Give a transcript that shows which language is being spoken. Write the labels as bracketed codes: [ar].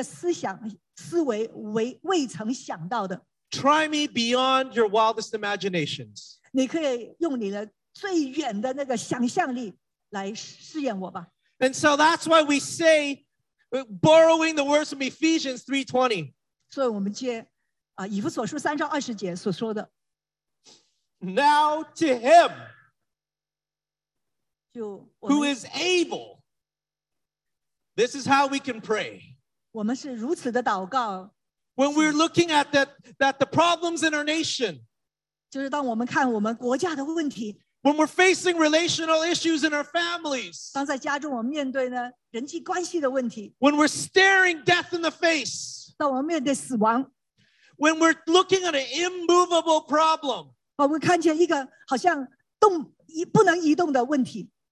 [zh] 因为我们的脑筋所想的是远过我们的眼睛,但这里说,你的人心就是你的人的思想,思维未曾想到的。 [en] Try me beyond your wildest imaginations. [zh] 你可以用你的最远的那个想象力来试验我吧。 [en] And so that's why we say, borrowing the words from Ephesians 3:20. [zh] 所以我们接, 以弗所书3:20节所说的。 [en] Now to him, [zh] 就我们, [en] who is able, this is how we can pray. [zh] 我们是如此的祷告。 [en] When we're looking at that the problems in our nation, [zh] 就是当我们看我们国家的问题, [en] When we're facing relational issues in our families. [zh] 当在家中我们面对呢人际关系的问题, [en] when we're staring death in the face. [zh] 当我们面对死亡, [en] when we're looking at an immovable problem. [zh] 我们看见一个好像不能移动的问题,